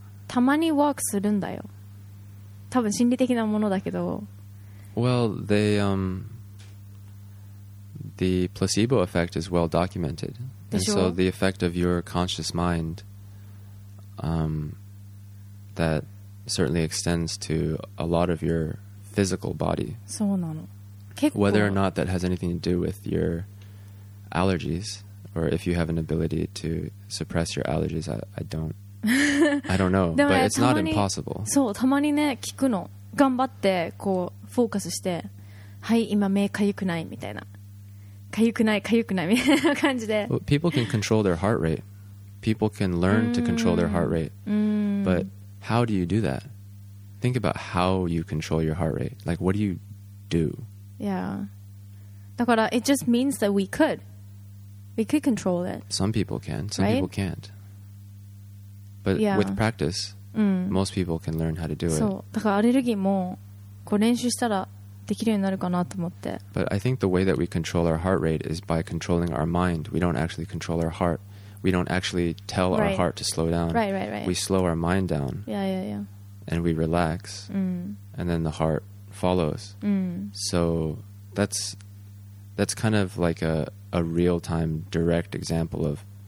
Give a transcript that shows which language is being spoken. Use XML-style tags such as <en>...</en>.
<ja>たまにワークするんだよ。多分心理的なものだけど。</ja> <en>Well, they the placebo effect is well documented. And so the effect of your conscious mind that certainly extends to a lot of your physical body.</en> <ja>そうなの。結構。</ja> <en>Whether or not that has anything to do with your allergies, or if you have an ability to suppress your allergies, I don't know. But it's not impossible.</en> <ja>そう、たまにね、聞くの。頑張って、こう、フォーカスして、はい、今目かゆくないみたいな。かゆくない、かゆくないみたいな感じで。</ja> <en>Well, people can control their heart rate. People can learn to control their heart rate. But how do you do that? Think about how you control your heart rate. Like, what do you do? Yeah.</en> <ja>だから</ja> <en>it just means that we could control it. Some people can. Some people can't. But with practice, most people can learn how to do it.</en> <ja>そう。だからアレルギーもこう練習したらできるようになるかなと思って。</ja> <en>But I think the way that we control our heart rate is by controlling our mind. We don't actually control our heart. We don't actually tell our heart to slow down. Right. We slow our mind down. Yeah. And we relax. And then the heart follows. So that's kind of like a real-time direct example of</en>